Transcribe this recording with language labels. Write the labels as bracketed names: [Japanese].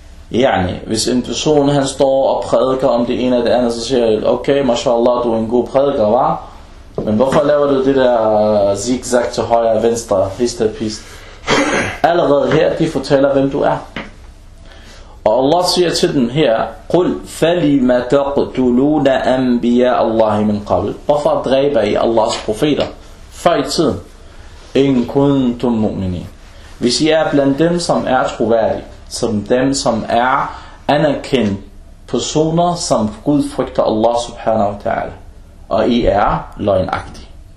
[Danish] Yani, hvis en person han står og prædiker om det ene eller det andet, så siger jeg, okay, mashallah, du er en god prædiker, hva? Men hvorfor laver du det der zigzag til højre og venstre, hist og pist? Allerede her, de fortæller, hvem du er. Og Allah siger til dem her, [Arabic] قُلْ فَلِمَ تَقْتُلُونَ أَنْبِيَاءَ اللَّهِ مِنْ قَبْلِ. [Danish] Hvorfor dræber I Allahs profeter? Før i tiden. [Arabic] إِنْ كُنْتُمْ مُؤْمِنِينَ. [Danish] Hvis I er blandt dem, som er troværdige, som dem, som er anerkendt personer, som Gud frygter Allah subhanahu wa ta'ala, og I er løgnagtige.